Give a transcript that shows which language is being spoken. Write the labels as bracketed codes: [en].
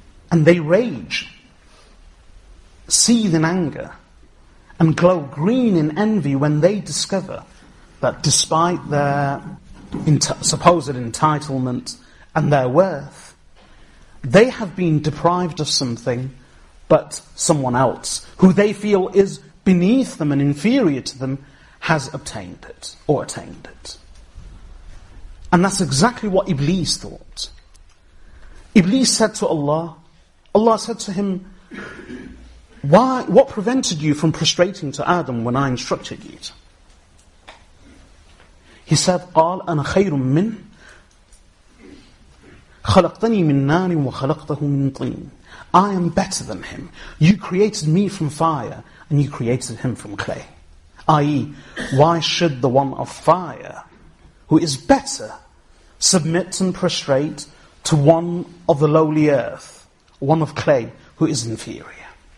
[en] And they rage, seethe in anger, and glow green in envy when they discover that despite their supposed entitlement and their worth, they have been deprived of something, but someone else, who they feel is beneath them and inferior to them, has obtained it, or attained it. And that's exactly what Iblis thought. Iblis said to Allah, Allah said to him, "Why? What prevented you from prostrating to Adam when I instructed you?" He said, [ar] "قال أنا خير من خلقتني من نار وخلقته من طين." [en] I am better than him. You created me from fire, and you created him from clay. I.e., why should the one of fire, who is better, submit and prostrate to one of the lowly earth, one of clay, who is inferior?